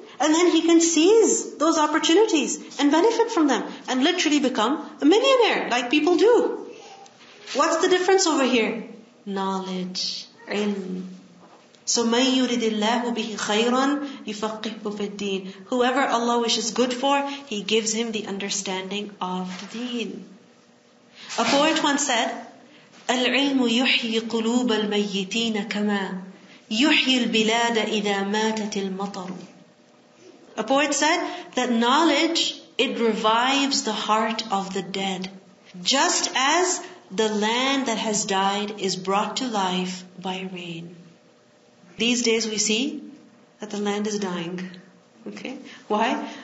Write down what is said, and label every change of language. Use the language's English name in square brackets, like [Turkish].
[English] And then he can seize those opportunities and benefit from them and literally become a millionaire like people do. What's the difference over here? Knowledge. [Arabic] Ilm. So مَنْ يُرِدِ اللَّهُ بِهِ خَيْرًا يُفَقِّهُ فِي الدِّينِ. [English] Whoever Allah wishes good for, he gives him the understanding of the deen. A poet once said, [Arabic] الْعِلْمُ يُحْيِي قُلُوبَ الْمَيِّتِينَ كَمَا يُحْيِي الْبِلَادَ إِذَا مَاتَتِ الْمَطَرُ. [English] A poet said that knowledge, it revives the heart of the dead, just as the land that has died is brought to life by rain. These days we see that the land is dying. Okay? Why?